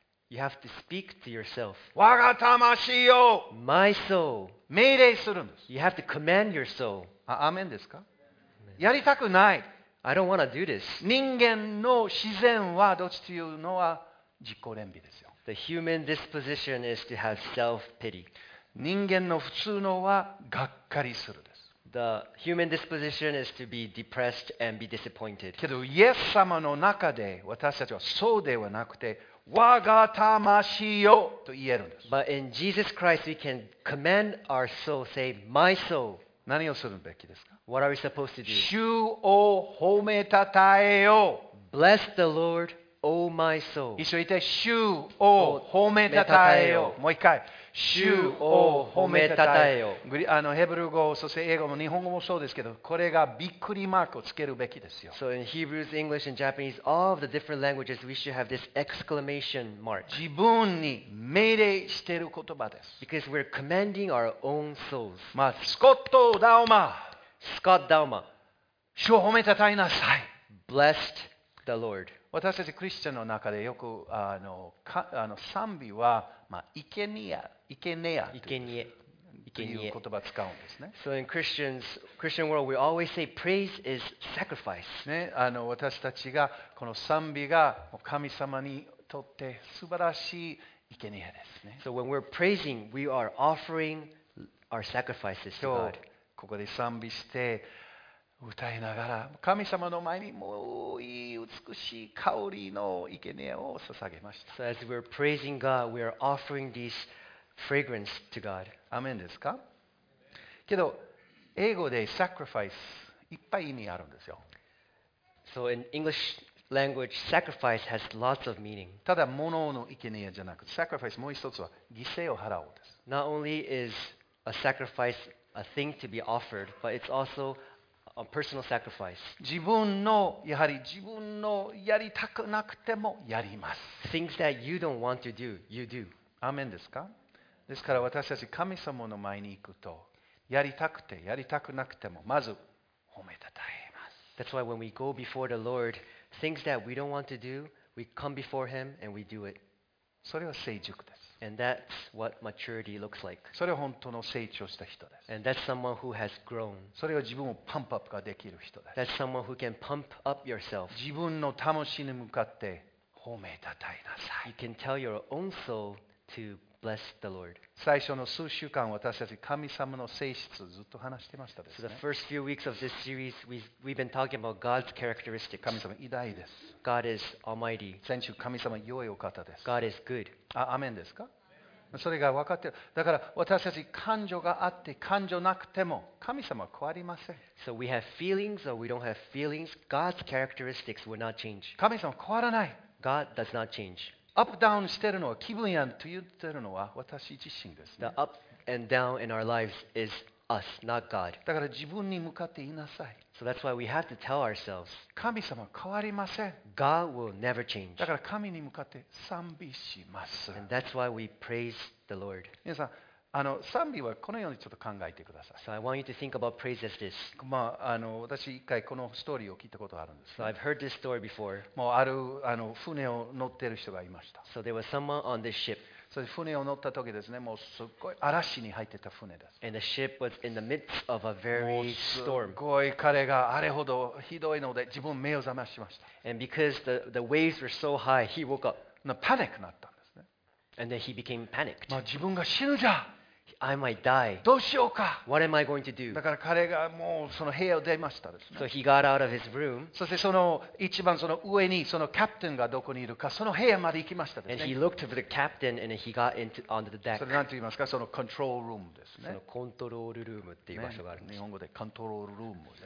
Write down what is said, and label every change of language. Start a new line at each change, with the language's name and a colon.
English: You have to speak to yourself.
Japanese: 我が魂よ。
English: My soul.
Japanese: 命令するんです。
English: You have to command your soul.
Japanese: アーメンですか？やりたくない。
English: I don't want to do this.
Japanese: 人間の自然はどっちというのは自己憐憫ですよ。
English: The human disposition is to have self-pity.
Japanese: 人間の普通のはがっかりするです。
English: The human disposition is to be depressed and be disappointed.
Japanese: けど、イエス様の中で私たちはそうではなくて、我が魂よと言えるんです。
English: But in Jesus Christ, we can command our soul, say, my soul.
Japanese: 何をするべきですか？
English: What are we supposed to do?
Japanese: 主を褒めたたえよ。
English: Bless the Lord, O my soul.
Japanese: 一緒に言って、主を褒めたたえよ。もう一回。主を褒めたたえよ。あのヘブル語、そして英語も日本語もそうですけど、これがびっくりマークをつけるべきですよ。
English: So in Hebrews, English, and Japanese, all of the different languages, we should have this exclamation mark.
Japanese: 自分に命令している言葉です。
English: Because we're commanding our own souls.
Japanese: まあ、スコット・ダウマ。スコット・ダウマ。主を褒めたたえなさい。
English: Blessed the Lord.
Japanese: 私たちクリスチャンの中でよくあの賛美は、まあ、いけにえという言葉を使うんですね。
English: So in Christian world, we always say praise is sacrifice.
Japanese: ね、あの私たちがこの賛美が神様にとって素晴らしいいけにえですね。
English: So when we're praising, we are offering our sacrifices to God.
Japanese: ここで賛美して歌いながら神様の前にもういい美しい香りの生贄を捧げました。
English: So as we're praising God, we are offering this fragrance to God.
Japanese: アメンですか？けど英語で sacrifice いっぱい意味あるんですよ。
English: So in English language, sacrifice has lots of meaning.
Japanese: ただ物の生贄じゃなく、sacrifice もう一つは犠牲を払うです。
English: Not only is a sacrifice a thing to be offered, but it's also a personal sacrifice.
Japanese: 自分のやはり自分のやりたくなくてもやります。
English: Things that you don't want to do, you do.
Japanese: アーメンですか？ですから私たち神様の前に行くと、やりたくてやりたくなくてもまず褒めたたえます。
English: That's why when we go before the Lord, things that we don't want to do, we come before Him and we do it.
Japanese: それは成熟です。
English: And that's what maturity looks like.
Japanese: それは本当の成長した人です。
English: And that's someone who has grown.
Japanese: それは自分をパンプアップができる人です。
English: That's someone who can pump up yourself.
Japanese: 自分の魂に向かって褒めたたえなさい。
English: You can tell your own soul to bless the Lord.
Japanese: 最初の数週間私たち神様の性質をずっと話してましたですね。
English: So the first few weeks of this series, we've been talking about God's characteristics.
Japanese: 神様偉大です。
English: God is almighty.
Japanese: 先週神様良いお方です。
English: God is good.
Japanese: アメンですか？それが分かってる。だから私たち感情があって感情なくても神様は変わりません。
English: So we have feelings or we don't have feelings, God's characteristics will not change.
Japanese: 神様変わらない。
English: God does not change.
Japanese: アップダウンしてるのは気分やんと言ってるのは私自身です、ね。
English: The up and down in our lives is us, not God.
Japanese: だから自分に向かって言いなさい。
English: So that's why we have to tell ourselves.
Japanese: 神様変わりません。
English: God will never change.
Japanese: だから神に向かって賛美します。
English: And that's why we praise the Lord.
Japanese: 皆さん、あの賛美はこのようにちょっと考えてください。
English: So I want you to think about praise as this.
Japanese: まああの私一回このストーリーを聞いたことあるんです、ね。
English: So I've heard this story before.
Japanese: もうあるあの船を乗ってる人がいました。
English: So there was someone on this ship.
Japanese: そして船を乗った時ですね、もうすっごい嵐に入ってた船です。
English: And the ship was in the midst of a very storm.
Japanese: すごい彼があれほどひどいので自分目を覚ましました。
English: And because the waves were so high, he woke up.
Japanese: のパニックになったんですね。
English: And then he became panicked.
Japanese: まあ自分が死ぬじゃん。
English: I might die.
Japanese: どうしようか。
English: What am I going to do?
Japanese: だから彼がもうその部屋を出ましたですね。
English: So he got out of his room.
Japanese: そしてその一番その上にそのキャプテンがどこにいるかその部屋まで行きましたですね。
English: And he looked for the captain and he got into onto the deck.
Japanese: それなんて言いますか、そのコントロールルームですね。そのコントロールルームっていう場所があるんです。ね、日本語でコントロールルームね。